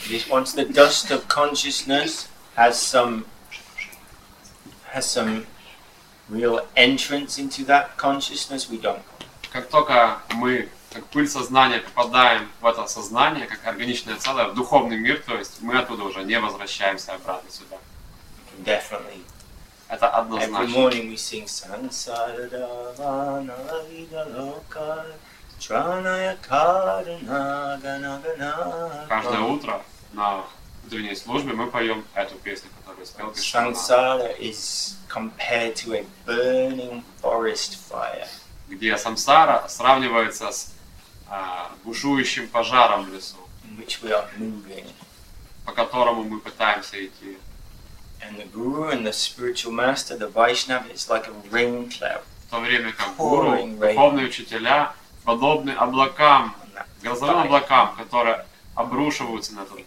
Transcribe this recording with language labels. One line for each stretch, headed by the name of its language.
English: Once the dust of consciousness has some real entrance into that consciousness, we don't.
Russian: Как только мы, как пыль сознания, попадаем в это сознание, как органичное целое, в духовный мир, то есть мы оттуда уже не возвращаемся обратно сюда.
English: Definitely.
Russian: Это однозначно.
English: Every morning we sing
Sanskrit: Sansara Dhavana Vida Loka Tranaya Kara Naga Naga
English: Naga.
Russian: Каждое утро на утренней службе мы поем эту песню, которую спел
English: Кришна. Сансара is compared to a burning forest fire.
Russian: Где самсара сравнивается с бушующим пожаром в лесу,
English: which we are moving,
Russian: по которому мы пытаемся идти.
English: And the guru and the spiritual master, the Vaishnava, it's like a rain cloud.
Russian: В то время как гуру, духовные учителя, подобны облакам, грозовым облакам, которые обрушиваются на этот